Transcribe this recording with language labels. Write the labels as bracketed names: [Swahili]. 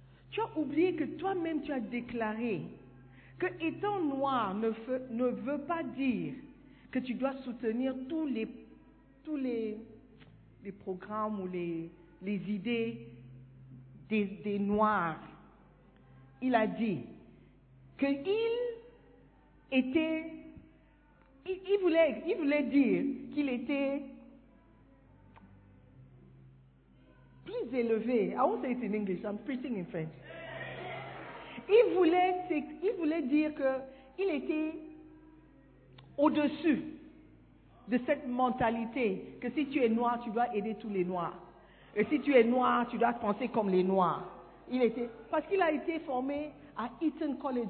[French] Tu as oublié que toi-même tu as déclaré que étant noir ne veut pas dire que tu dois soutenir tous les programmes ou les idées des Noirs. Il a dit qu'il était, il voulait dire qu'il était plus élevé. [English] I won't say it in English, I'm preaching in French. [French] Il voulait dire qu'il était au-dessus de cette mentalité que si tu es noir, tu dois aider tous les noirs. Et si tu es noir, tu dois penser comme les noirs. Parce qu'il a été formé à Eton College.